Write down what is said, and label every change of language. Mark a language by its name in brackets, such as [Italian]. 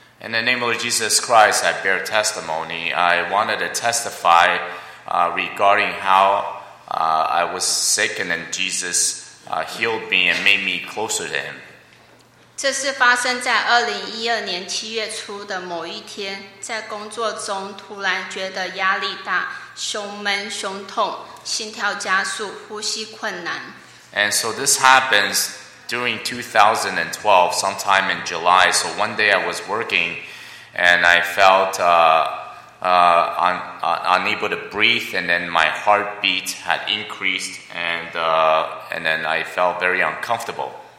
[English] In the name of Jesus Christ, I bear testimony. I wanted to testify regarding how I was sick and then Jesus healed me and made me closer to Him. [Chinese] 这是发生在2012年7月初的某一天，在工作中突然觉得压力大。胸闷、胸痛、心跳加速、呼吸困难。 [English] And so this happens during 2012, sometime in July. So one day I was working, and I felt unable to breathe, and then my heartbeat had increased, and then I felt very uncomfortable.